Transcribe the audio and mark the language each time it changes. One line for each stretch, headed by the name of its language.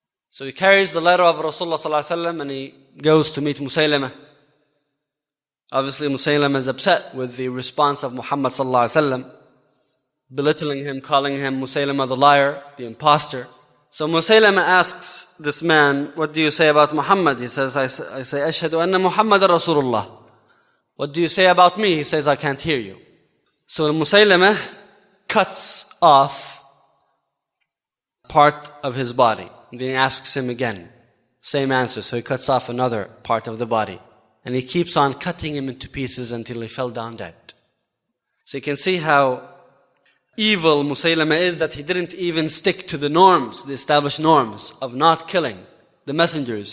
English: So he carries the letter of Rasulullah sallallahu alayhi wa sallam and he goes to meet Musaylimah. Obviously Musaylimah is upset with the response of Muhammad sallallahu alayhi wa sallam, belittling him, calling him Musaylimah the liar, the imposter. So Musaylimah asks this man, what do you say about Muhammad? He says, I say,
Arabic: أَشْهَدُ أَنَّ مُحَمَّدًا رَسُولُ اللَّهِ.
English: What do you say about me? He says, I can't hear you. So Musaylimah cuts off part of his body. And then he asks him again, same answer. So he cuts off another part of the body. And he keeps on cutting him into pieces until he fell down dead. So you can see how evil Musaylimah is, that he didn't even stick to the norms, the established norms of not killing the messengers.